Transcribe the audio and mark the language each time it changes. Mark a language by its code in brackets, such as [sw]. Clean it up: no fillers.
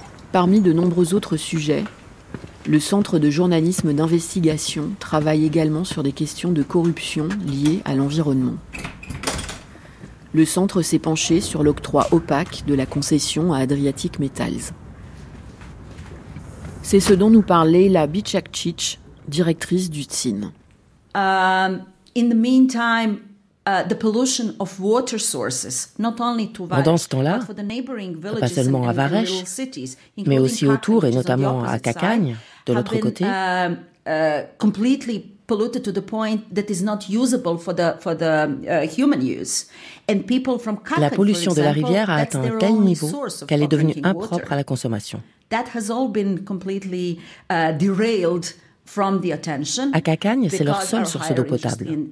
[fr] Parmi de nombreux autres sujets, le Centre de journalisme d'investigation travaille également sur des questions de corruption liées à l'environnement. Le centre s'est penché sur l'octroi opaque de la concession à Adriatic Metals. C'est ce dont nous parlait Leila Bicakcic, directrice du TSIN. [en] In the meantime, the pollution of water sources, not only to Varech, [fr] pendant ce temps-là, pas seulement à Varech, mais aussi autour et notamment à Cacagne, de l'autre côté, [en] completely polluted to the point that is not usable for the human use. And people from Cacagne, [fr] la pollution [en] example, [fr] de la rivière a atteint un tel niveau qu'elle est devenue impropre à la consommation. [en] That has all been completely derailed from the attention. [fr] À Cacagne, c'est leur seule source d'eau potable.